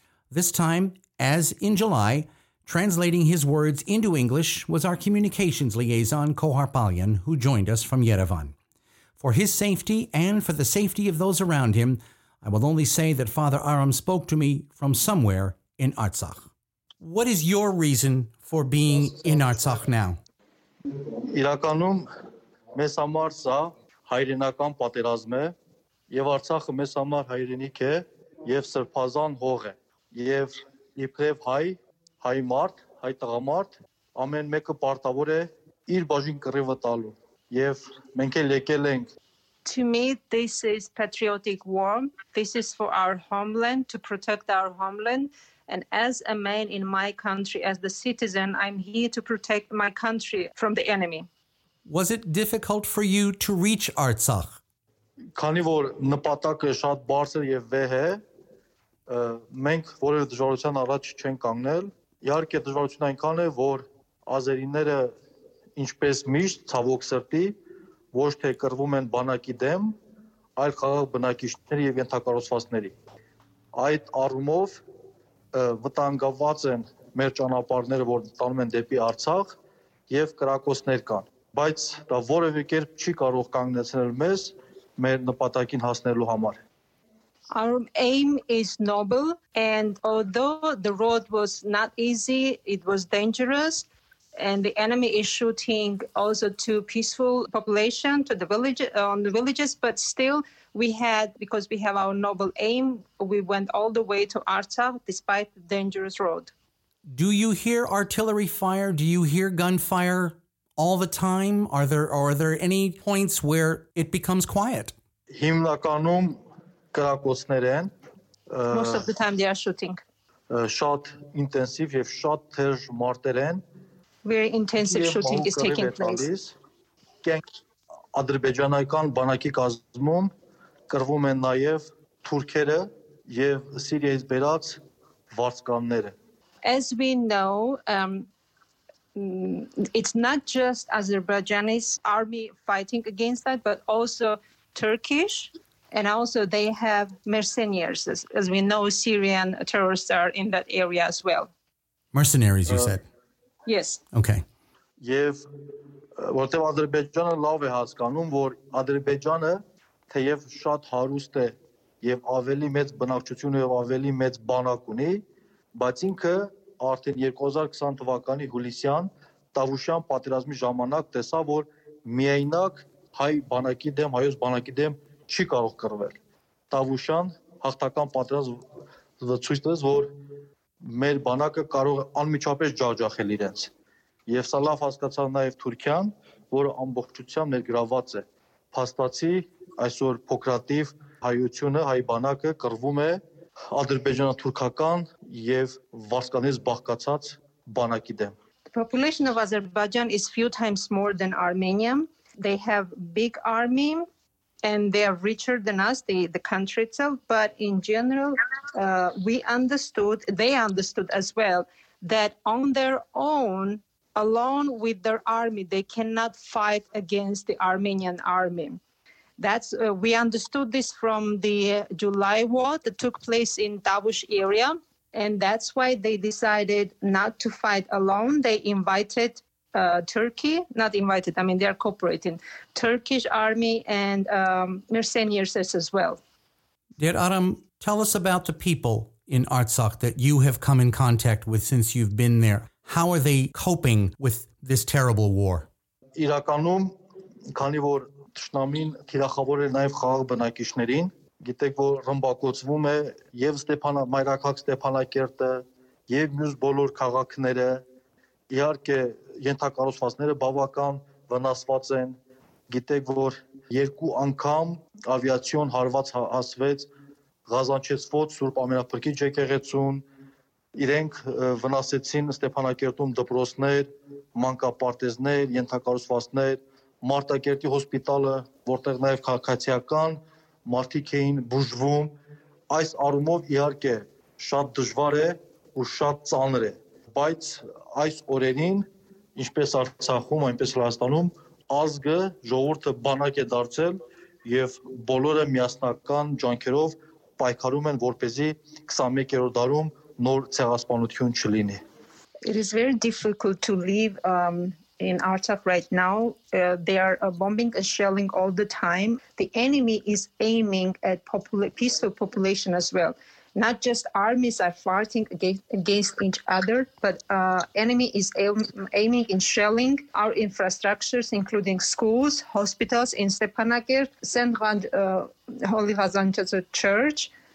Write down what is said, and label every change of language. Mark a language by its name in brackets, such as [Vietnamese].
[English] This time, as in July, translating his words into English was our communications liaison, Kohar Palyan, who joined us from Yerevan. For his safety and for the safety of those around him, I will only say that Father Aram spoke to me from somewhere in Artsakh. What is your reason for being in Artsakh now? [Armenian] Մեզ համար սա հայրենական պատերազմ է, եւ Արցախը մեզ համար հայրենիք է եւ սրբազան հող է, եւ իբրև հայ, հայ մարդ, հայ տղամարդ ամեն մեկը պարտավոր է իր բաժին կռիվը տալու, եւ մենք էլ եկել ենք. [English] To me, this is patriotic war. This is for our homeland, to protect our homeland. And as a man in my country, as the citizen, I'm here to protect my country from the enemy. Was it difficult for you to reach Artsakh? [Armenian] Քանի որ նպատակը շատ բարձր եւ վեհ է, մենք որևէ դժվարության առաջ չեն կանգնել։ Իհարկե դժվարությունը այնքան է, որ ազերիները ինչպես միշտ ցավոք սրտի ոչ թե կռվում են բանակի դեմ, այլ խաղաղ բնակիչների եւ ենթակառուցվածքների։ Այդ առումով վտանգված են մեր ճանապարհները, որ տանում են դեպի Արցախ, եւ կրակոցներ կան։ Բայց դա որևէ կերպ չի կարող կանգնեցնել մեզ մեր նպատակին հասնելու համար. [English] Our aim is noble, and although the road was not easy, it was dangerous, and the enemy is shooting also to peaceful population, to the village, on the villages, but still we had, because we have our noble aim, we went all the way to Artsakh despite the dangerous road. Do you hear artillery fire? Do you hear gunfire? All the time, are there any points where it becomes quiet? [Armenian] Հիմնականում կրակոցներ են. [English] Most of the time they are shooting. [Armenian] Շատ ինտենսիվ եւ շատ թեժ մարտեր են. [English] Very intensive shooting is taking place. [Armenian] Ադրբեջանական բանակի կազմում կռվում են նաեւ թուրքերը եւ Սիրիայից բերած վարձկանները. [English] As we know, it's not just Azerbaijanis army fighting against that, but also Turkish. And also they have mercenaries. As we know, Syrian terrorists are in that area as well. Mercenaries, you said? Yes. Okay. [Armenian] Եվ որտեղ Ադրբեջանը լավ է հասկանում, որ Ադրբեջանը թեև շատ հարուստ է եւ ավելի մեծ բնակչություն ու ավելի մեծ բանակ ունի, բայց ինքը արդեն 2020 թվականի հուլիսյան Տավուշյան պատերազմի ժամանակ տեսա, որ միայնակ հայ բանակի դեմ, հայոց բանակի դեմ չի կարող կռվել։ Տավուշյան հաղթական պատերազմը ցույց տվեց, որ մեր բանակը կարող է անմիջապես ջարդախել իրենց։ Եվ սա լավ հասկացավ նաև Թուրքիան, որը ամբողջությամբ ներգրավված է։ Փաստացի այսօր փոքրատիվ հայությունը, հայ բանակը կռվում է ադրբեջանա-թուրքական եւ վարսկանից բաղկացած բանակի դեմ։ [English] The population of Azerbaijan is few times more than Armenia. They have big army and they are richer than us, the country itself, but in general they understood as well that on their own, alone with their army, they cannot fight against the Armenian army. We understood this from the July war that took place in Tavush area, and that's why they decided not to fight alone. They invited they are cooperating, Turkish army and mercenaries as well. Dear Aram, tell us about the people in Artsakh that you have come in contact with since you've been there. How are they coping with this terrible war? [Armenian] Իրականում, քանի որ Թշնամին թիրախավոր է նաև խաղաղ բնակիչներին, գիտեք որ ռմբակոծվում է եւ մայրաքաղաք Ստեփանակերտը եւ մյուս բոլոր քաղաքները, իհարկե ենթակառուցվածքները բավական վնասված են, գիտեք որ երկու անգամ ավիացիոն հարված հասվեց Ղազանչեսվոտ, Սուրբ Ամիրապրկիչ եկեղեցուն, իրենք վնասեցին Ստեփանակերտում դպրոցներ, մանկապարտեզներ, ենթակառուցվածքներ, Մարտակերտի հոսպիտալը, որտեղ նաև քաղաքացիական մարդիկ էին բուժվում։ Այս առումով իհարկե շատ դժվար է ու շատ ծանր է, բայց այս օրերին, ինչպես Արցախում, այնպես էլ Հայաստանում, ազգը, ժողովուրդը բանակ է դարձել եւ բոլորը միասնական ջանքերով պայքարում են, որպեսզի 21-րդ դարում նոր ցեղասպանություն չլինի։ [English] It is very difficult to live in Artsakh right now. They are bombing and shelling all the time. The enemy is aiming at peaceful population as well. Not just armies are fighting against each other, but enemy is aiming and shelling our infrastructures, including schools, hospitals in Stepanakert, Sendrand Holy Ghazanchezo Church.